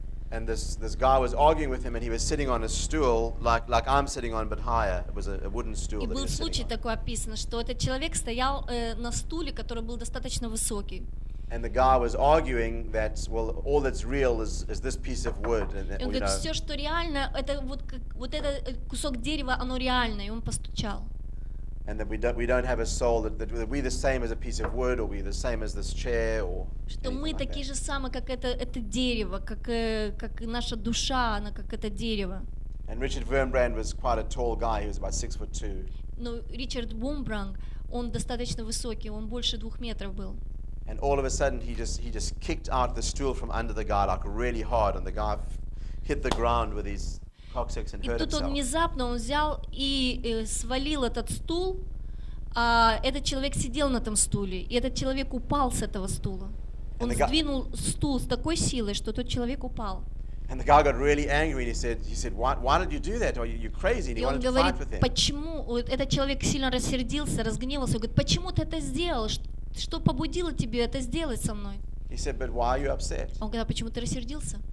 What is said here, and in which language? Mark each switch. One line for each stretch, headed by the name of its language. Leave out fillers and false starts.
English: And this guy was arguing with him, and he was sitting on a stool like I'm sitting on, but higher. It was a wooden stool.
Russian: И был случай такой описан, что этот человек стоял на стуле, который был достаточно высокий.
English: And the guy was arguing that, well, all that's real is this piece of wood. And
Russian: он говорит, все, что реально, это вот этот кусок дерева, оно реальное, и он постучал.
English: And that we don't have a soul that we're the same as a piece of wood or we're the same as this chair or
Russian: что мы такие же самые как это дерево, как наша душа, она как это дерево.
English: And Richard Wurmbrand was quite a tall guy, he was about 6'2".
Russian: Но Ричард Вурмбранд, он достаточно высокий, он больше 2 метров был.
English: And all of a sudden he just kicked out the stool from under the guy like really hard and the guy hit the ground with his
Russian: И тут он внезапно он взял и свалил этот стул, а этот человек сидел на этом стуле, и этот человек упал с этого стула. Он сдвинул стул с такой силой, что тот человек упал.
English: And the guy got really angry and he said why did you do that? Are you crazy? And he wanted
Russian: говорит,
English: to fight with him.
Russian: Почему этот человек сильно рассердился, разгневался, говорит, почему ты это сделал? Что побудило тебя это сделать со мной?
English: He said, but why are you upset?
Russian: Он говорит, а почему ты рассердился?